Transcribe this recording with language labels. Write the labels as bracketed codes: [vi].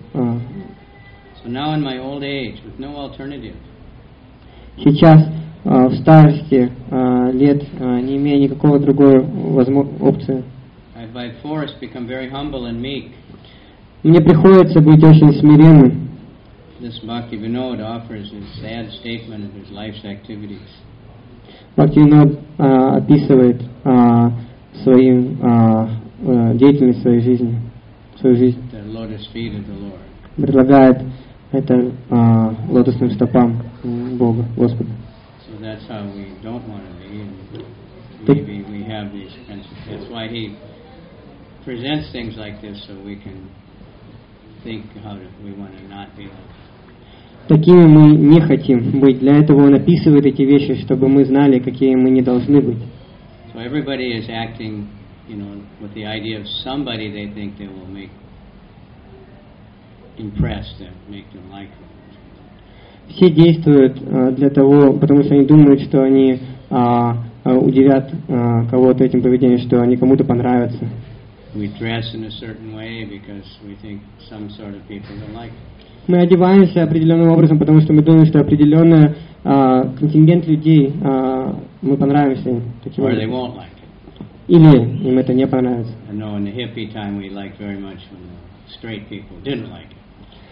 [en] So now in my old age, with no alternative. [ru] Сейчас в старости лет, не имея никакого другой опции. [en] I by force become very humble and meek. [ru] Мне приходится быть очень смиренным. [en] This Bhaktivinoda offers his sad statement of his life's activities. [ru] Бхактивинод описывает деятельность своей жизни, свою жизнь. [en] The lotus feet of the Lord. [ru] Предлагает это лотосным стопам Бога, Господа. [en] That's how we don't want to be. we have these principles. That's why he presents things like this, so we can think how we want to not be like. [ru] Такими мы не хотим быть. Для этого он описывает эти вещи, чтобы мы знали, какие мы не должны быть. [en] So everybody is acting, you know, with the idea of somebody they think they will make impressed and make them like. [ru] Все действуют для того, потому что они думают, что они удивят кого-то этим поведением, что они кому-то понравятся. [en] We dress in a certain way because we think some sort of people don't like. [ru] Мы одеваемся определенным образом, потому что мы думаем, что определенный контингент людей мы понравимся таким образом. Или им это не понравится. [en] I know in the hippie time we liked very much when the straight people didn't like it.